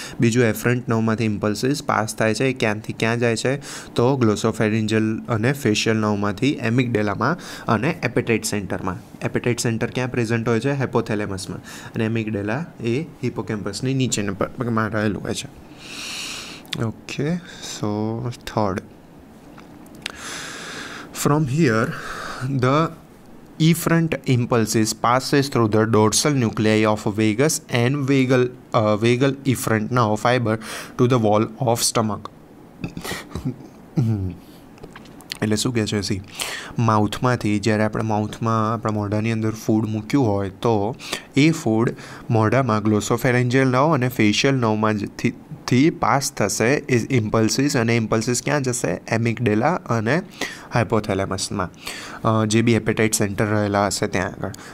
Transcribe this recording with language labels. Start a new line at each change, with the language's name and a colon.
Gujarati: બીજું, એફરન્ટ નર્વમાંથી ઇમ્પલ્સીસ પાસ થાય છે, એ ક્યાંથી ક્યાં જાય છે? તો ગ્લોસોફેરિન્જલ અને ફેશિયલ નર્વમાંથી એમિગડેલામાં અને એપેટાઇટ સેન્ટરમાં. એપેટાઇટ સેન્ટર ક્યાં પ્રેઝન્ટ હોય છે? હેપોથેલેમસમાં. અને એમિગડેલા એ હિપોકેમ્પસની નીચેમાં રહેલું હોય છે.
English: Okay, so third, From here, the efferent impulses passes through the dorsal nuclei of vagus and vagal efferent nerve fiber to the wall of stomach.
Gujarati: એટલે શું કહે છે? સી, માઉથમાંથી જ્યારે આપણે માઉથમાં આપણા મોઢાની અંદર ફૂડ મૂક્યું હોય તો એ ફૂડ મોઢામાં ગ્લોસોફેરિન્જિયલ નર્વ અને ફેશિયલ નર્વમાં થી પાસ થશે ઇમ્પલ્સીસ, અને ઇમ્પલ્સીસ ક્યાં જશે? એમિગડેલા અને હાઇપોથેલેમસમાં, જે બી એપેટાઇટ સેન્ટર રહેલા હશે ત્યાં આગળ.